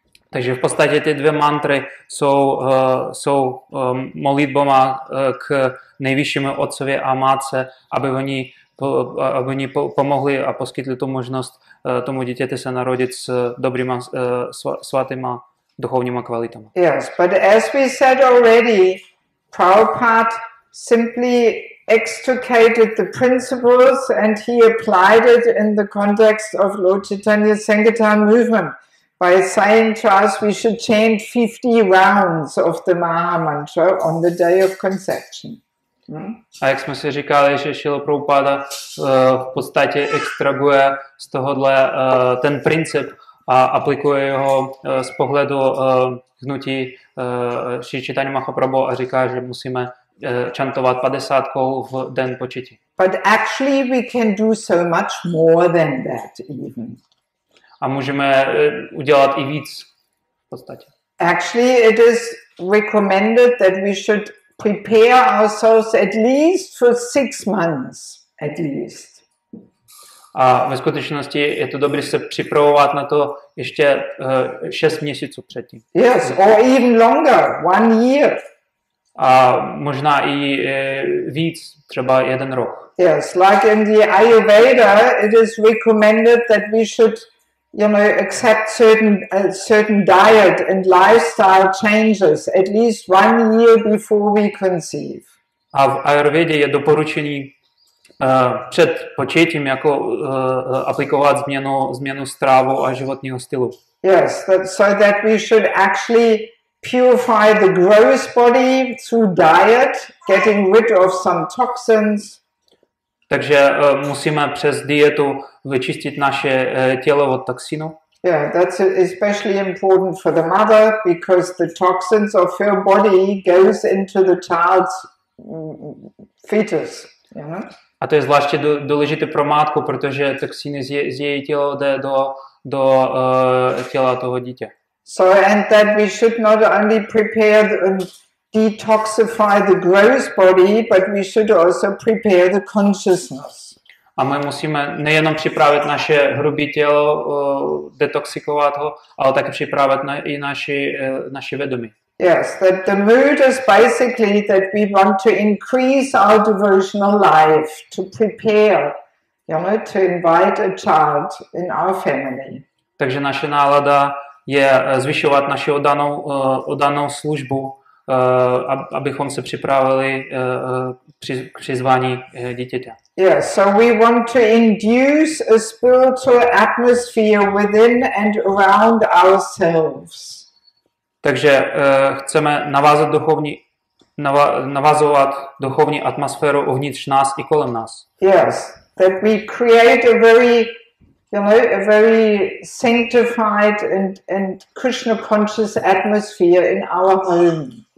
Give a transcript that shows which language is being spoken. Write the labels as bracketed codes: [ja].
[cs] Takže v podstatě ty dvě mantry jsou modlitbama k nejvyššímu otcovi a matce, aby oni pomohli a poskytli tu možnost tomu dítěti se narodit s dobrýma svatýma duchovníma kvalitami. [en] Yes, but as we said already, Prabhupada simply extricated the principles and he applied it in the context of Lord Chaitanya Sankirtan movement by saying to us we should chant 50 rounds of the Maha Mantra on the day of conception. [cs] A jak jsme si říkali, že Šila Prabhupada v podstatě extraguje z tohohle ten princip a aplikuje ho z pohledu hnutí Šri Chaitanya Mahaprabhu a říká, že musíme chantovat 50 kol v den početí. [en] But actually we can do so much more than that even. [cs] A můžeme udělat i víc v podstatě. [en] Actually it is recommended that we should prepare ourselves at least for 6 months at least. [cs] A ve skutečnosti je to dobré se připravovat na to ještě 6 měsíců předtím. [en] Yes, or even longer, 1 year. [cs] A možná i víc, třeba jeden rok. [en] Yes, like in the Ayurveda, it is recommended that we should, you know, accept certain diet and lifestyle changes at least 1 year before we conceive. [cs] A v Ayurvedě je doporučení před početím jako aplikovat změnu stravy a životního stylu. [en] Yes, so that we should actually purify the gross body through diet, getting rid of some toxins. [cs] Takže musíme přes dietu vyčistit naše tělo od toxinů. [en] Yeah, that's especially important for the mother because the toxins of her body goes into the child's fetus. Yeah. [cs] A to je zvláště důležité pro matku, protože toxiny z její těla jde do těla toho dítě. [en] So and that we should not only prepare and detoxify the gross body, but we should also prepare the consciousness. [cs] A my musíme nejenom připravit naše hrubé tělo, detoxikovat ho, ale také připravit i naše vědomí. [en] Yes, that the mood is basically that we want to increase our devotional life to prepare, you know, to invite a child in our family. [cs] Takže naše nálada je zvyšovat naši oddanou službu, abychom se připravili přizvání dítěte. [en] Yes, so we want to induce a spiritual atmosphere within and around ourselves. [cs] Takže chceme navazovat duchovní atmosféru uvnitř nás i kolem nás. [en] Yes, that we create a very, you know, a very sanctified and Krishna conscious atmosphere in our home.